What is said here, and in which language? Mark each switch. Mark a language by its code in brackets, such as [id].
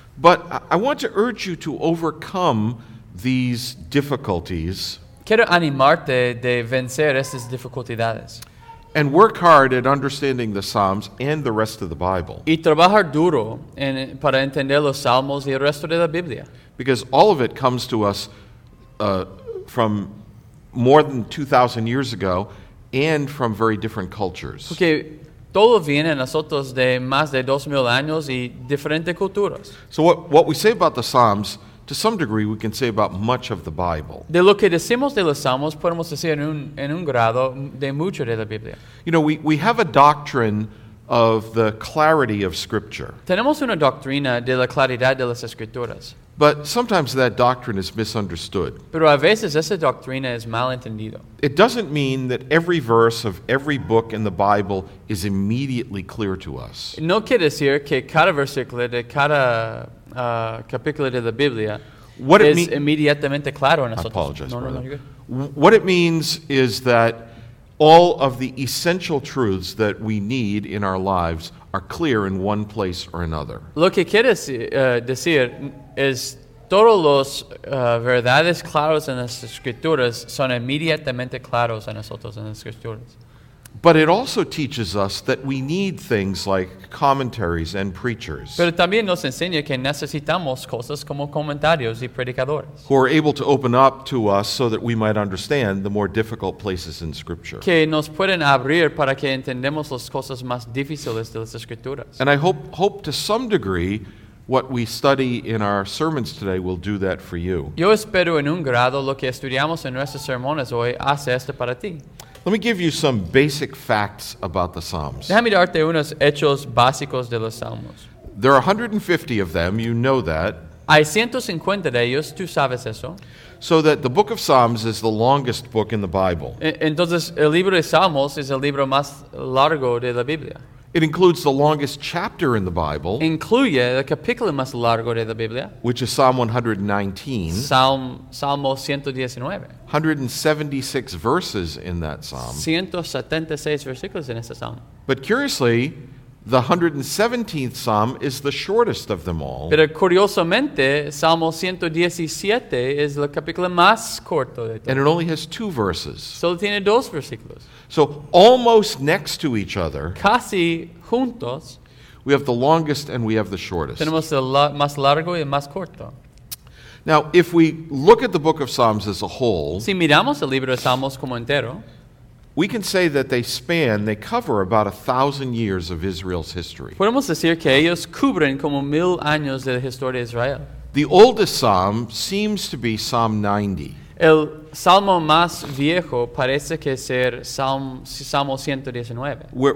[en] But I want to urge you to overcome these difficulties. [es] Quiero animarte de vencer estas dificultades. [en] And work hard at understanding the Psalms and the rest of the Bible. [es] Y trabajar duro para entender los Salmos y el resto de la Biblia. [en] Because all of it comes to us from more than 2,000 years ago and from very different cultures. Okay. [es] Todo viene a nosotros de más de 2,000 años y diferentes culturas. [en] So what we say about the Psalms, to some degree, we can say about much of the Bible. [es] De lo que decimos de los Salmos, podemos decir en un grado de mucho de la Biblia. [en] You know, we have a doctrine of the clarity of Scripture. [es] Tenemos una doctrina de la claridad de las Escrituras. [en] But sometimes that doctrine is misunderstood. [es] Pero a veces esa doctrina es mal entendido. [en] It doesn't mean that every verse of every book in the Bible is immediately clear to us. [es] No quiere decir que cada versículo de cada capítulo de la Biblia [en] what [es] es inmediatamente claro en nosotros. [en] I apologize, brother. No, you're good. What it means is that all of the essential truths that we need in our lives are clear in one place or another. [es] Lo que quiere decir es todos los verdades claros en las Escrituras son inmediatamente claros a nosotros en las Escrituras. [en] But it also teaches us that we need things like commentaries and preachers. [es] Pero también nos enseña que necesitamos cosas como comentarios y predicadores. [en] Who are able to open up to us so that we might understand the more difficult places in Scripture. [es] Que nos pueden abrir para que entendamos las cosas más difíciles de las Escrituras. [en] And I hope to some degree what we study in our sermons today will do that for you. [es] Yo espero en un grado lo que estudiamos en nuestros sermones hoy hace esto para ti. [en] Let me give you some basic facts about the Psalms. [es] Déjame darte unos hechos básicos de los Salmos. [en] There are 150 of them, you know that. [es] Hay 150 de ellos, tú sabes eso. [en] So that the book of Psalms is the longest book in the Bible. [es] Entonces, el libro de Salmos es el libro más largo de la Biblia. [en] It includes the longest chapter in the Bible. [es] Incluye el capítulo más largo de la Biblia. [en] Which is Psalm 119. [es] Salmo 119. [en] 176 verses in that psalm. [es] 176 versículos en ese psalm. [en] But curiously, the 117th psalm is the shortest of them all. [es] Pero curiosamente, Salmo 117 es el capítulo más corto de todos. [en] And it only has two verses. [es] Solo tiene dos versículos. [en] So almost next to each other. [es] Casi juntos. [en] We have the longest and we have the shortest. [es] Tenemos el más largo y el más corto. [en] Now, if we look at the book of Psalms as a whole. [es] Si miramos el libro de Salmos como entero. [en] We can say that they cover about 1,000 years of Israel's history. [es] Podemos decir que ellos cubren como 1,000 años de la historia de Israel. [en] The oldest psalm seems to be Psalm 90. [es] El salmo más viejo parece que ser Salmo 119.